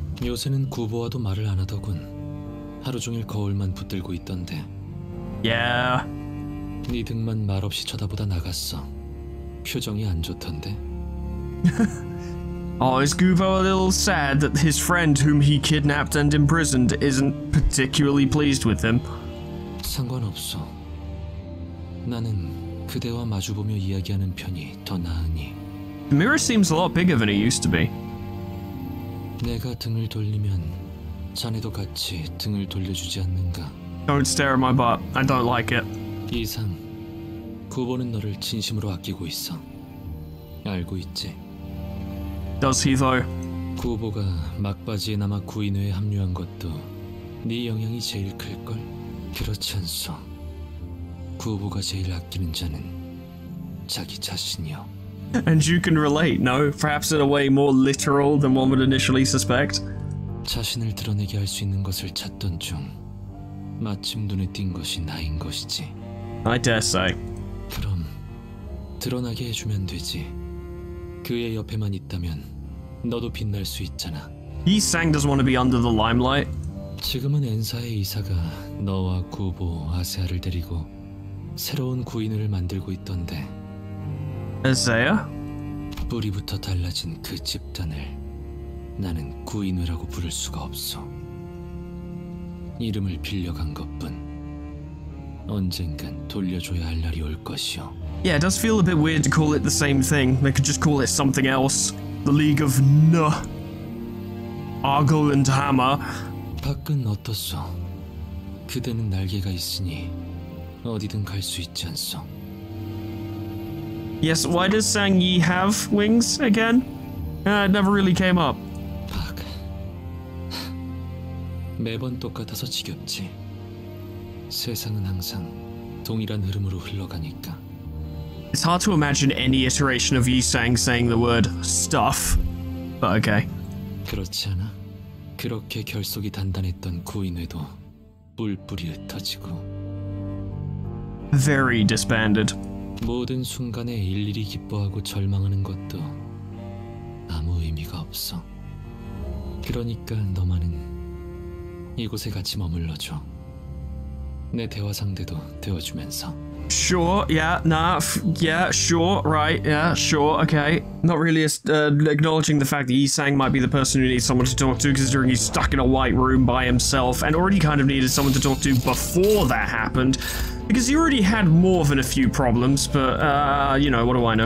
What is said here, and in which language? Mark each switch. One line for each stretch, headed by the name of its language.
Korean: 요새는 구보와도 말을 안 하더군. 하루 종일 거울만 붙들고 있던데.
English: Yeah.
Korean: 네 등만 말없이 쳐다보다 나갔어. 표정이 안 좋던데.
English: Oh, is Gubo a little sad that his friend whom he kidnapped and imprisoned isn't particularly pleased with him?
Korean: 상관없어. 나는 그대와 마주보며 이야기하는 편이 더 나으니.
English: The mirror seems a lot bigger than it used to be.
Korean: 내가 등을 돌리면 자네도 같이 등을 돌려주지 않는가?
English: Don't stare at my butt. I don't like it.
Korean: 이상, 구보는 너를 진심으로 아끼고 있어. 알고 있지?
English: Does he though?
Korean: 구보가 막바지에 남아 구인회에 합류한 것도 네 영향이 제일 클걸? 그렇지 않소. 구보가 제일 아끼는 자는 자기 자신이요.
English: And you can relate, no? Perhaps in a way more literal than one would initially suspect.
Korean: 자신을 드러내게 할 수 있는 것을 찾던 중 마침 눈에 띈 것이 나인 것이지.
English: I dare say.
Korean: 그럼 드러나게 해주면 되지. 그의 옆에만 있다면 너도 빛날 수 있잖아.
English: Yi Sang doesn't want to be under the limelight.
Korean: 지금은 엔사의 이사가 너와 구보 아세아를 데리고 새로운 구인을 만들고 있던데. 엔사야? 뿌리부터 달라진 그 집단을 나는 구인회라고 부를 수가 없어. 이름을 빌려간 것뿐. 언젠간 돌려줘야 할 날이 올 것이오.
English: Yeah, it does feel a bit weird to call it the same thing. They could just call it something else. The League of N-A. Argle and Hammer.
Korean: 밖은 어떻소? 그대는 날개가 있으니 어디든 갈 수 있지 않소?
English: Yes, why does Sang Yi have wings again? It never really came up.
Korean: 매번 똑같아서 지겹지. 세상은 항상 동일한 흐름으로 흘러가니까.
English: It's hard to imagine any iteration of Yi Sang saying the word stuff, but okay.
Korean: 그렇지 않아? 그렇게 결속이 단단했던 구인회도 뿔뿔이 흩어지고.
English: Very disbanded.
Korean: 모든 순간에 일일이 기뻐하고 절망하는 것도 아무 의미가 없어. 그러니까 너만은 이곳에 같이 머물러줘. 내 대화 상대도 되어주면서.
English: Sure, yeah, nah, okay. Not really acknowledging the fact that Yi Sang might be the person who needs someone to talk to, considering he's stuck in a white room by himself, and already kind of needed someone to talk to before that happened. Because you already had more than a few problems, but, you know, what do I know?